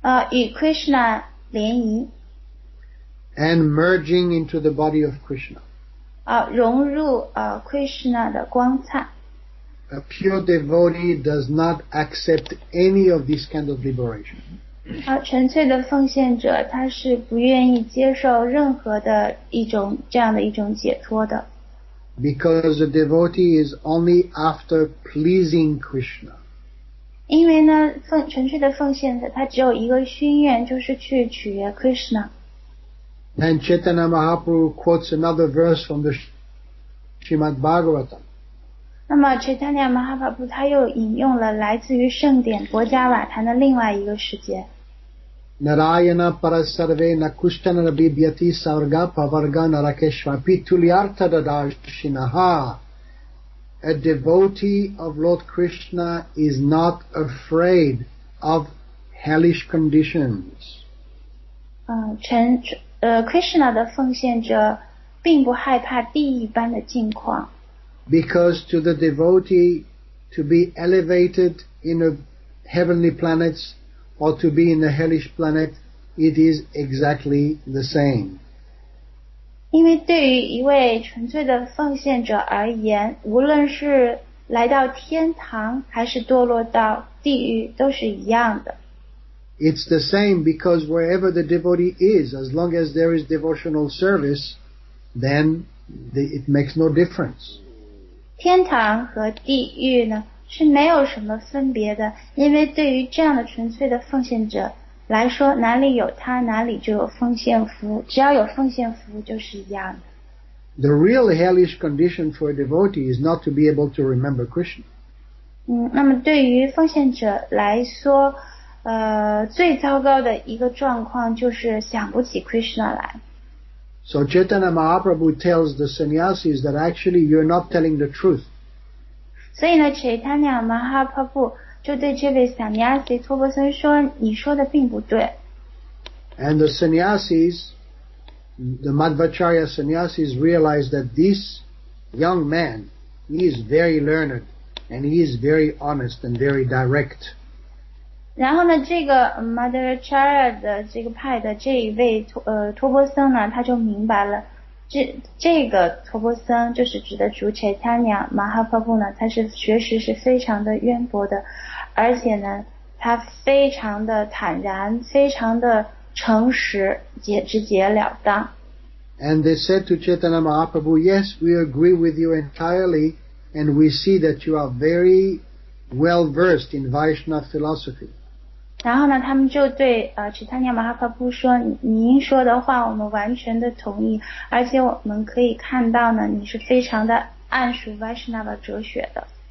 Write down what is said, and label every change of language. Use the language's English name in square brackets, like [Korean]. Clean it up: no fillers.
[Chinese] 与 Krishna 联谊。 [English] And merging into the body of Krishna. [Chinese] 融入Krishna 的光彩。 [English] A pure devotee does not accept any of these kind of liberation. [Chinese] 纯粹的奉献者他是不愿意接受任何的一种这样的一种解脱的。 [English] Because a devotee is only after pleasing Krishna. [Chinese] 因为呢纯粹的奉献者他只有一个心愿，就是去取悦 Krishna. [English] And Chaitanya Mahaprabhu quotes another verse from the Srimad Bhagavatam. [Chinese] 那么 Chaitanya Mahaprabhu 他又引用了来自于圣典《薄伽瓦坛》的另外一个世界。 [Sanskrit] Narayana parasarve nakushtana rabibhyati sarga pavarga narakeshvapi tuliartha dadashinaha. [English] A devotee of Lord Krishna is not afraid of hellish conditions. [Chinese] Krishna 的奉献者并不害怕地狱般的境况。 [English] Because to the devotee, to be elevated in the heavenly planets or to be in the hellish planet, it is exactly the same. [Chinese] 因为对于一位纯粹的奉献者而言，无论是来到天堂还是堕落到地狱，都是一样的。 [English] It's the same because wherever the devotee is, as long as there is devotional service, then it makes no difference. [Chinese] 天堂和地狱呢是没有什么分别的，因为对于这样的纯粹的奉献者来说，哪里有他哪里就有奉献服务，只要有奉献服务就是一样的。 [English] The real hellish condition for a devotee is not to be able to remember Krishna. [Chinese] 那么对于奉献者来说，最糟糕的一个状况就是想不起 Krishna 来。 [English] So Chaitanya Mahaprabhu tells the sannyasis that actually you're not telling the truth. [Chinese] 所以呢 Chaitanya Mahaprabhu 就对这位 sannyasi 托钵僧说，你说的并不对。 [English] And the sannyasis, the Madhvacharya sannyasis realize that this young man, he is very learned and he is very honest and very direct. [Chinese] 然后呢这个 Madhvacharya 的这个派的这一位托钵僧呢，他就明白了这个托波森就是指的主切他尼亚马哈帕布呢，他是学识是非常的渊博的，而且呢他非常的坦然，非常的诚实，也直截了当。 [English] And they said to Chaitanya Mahaprabhu, yes, we agree with you entirely, and we see that you are very well versed in Vaishnava philosophy. [Chinese] 然后呢，他们就对Chaitanya Mahaprabhu 说，您说的话我们完全的同意，而且我们可以看到呢，你是非常的谙熟 Vaishnava 哲学的。